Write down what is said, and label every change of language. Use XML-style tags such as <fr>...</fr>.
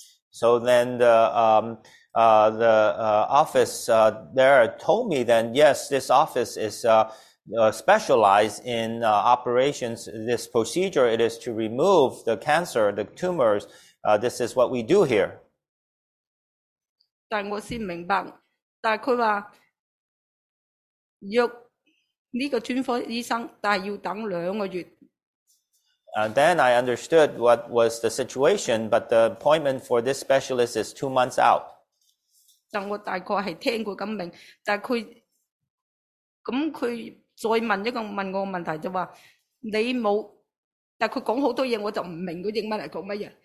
<en>So then the office there told me then yes this office is specialized in operations this procedure it is to remove the cancer the tumors. This is what we do here.</en> <yue>但我先明白，但系佢话约呢个专科医生，但系要等两个月。</yue> <en>Then I understood what was the situation, but the appointment for this specialist is 2 months out.</en> <yue>但我大概是听过咁明，但佢咁佢再问一个问我问题，就话你冇但佢讲好多嘢，我就唔明佢英文嚟讲乜嘢。</yue>